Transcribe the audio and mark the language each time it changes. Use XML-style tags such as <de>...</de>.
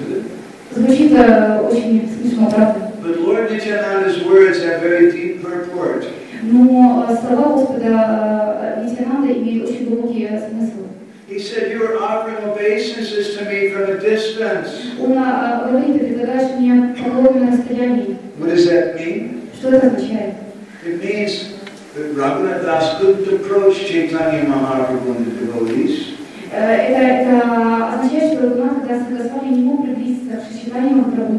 <en>But Lord Nityananda's words have very deep purport.</en> <ru>Но слова Господа Нитянанды имеют очень глубокий смысл.</ru> <en>He said, your offering obeisance is to me from a distance.</en> <ru>Он говорит, ты предлагаешь мне поклонение на расстоянии.</ru> <en>What does that mean?</en> <ru>Что это означает?</ru> <en>It means that Raghunath Das couldn't approach Chaitanya Mahaprabhu and the devotees.</en> <ru>Это означает, что Раганатха Дас Госвами не мог приблизиться к Шичитане Махапрабху</ru>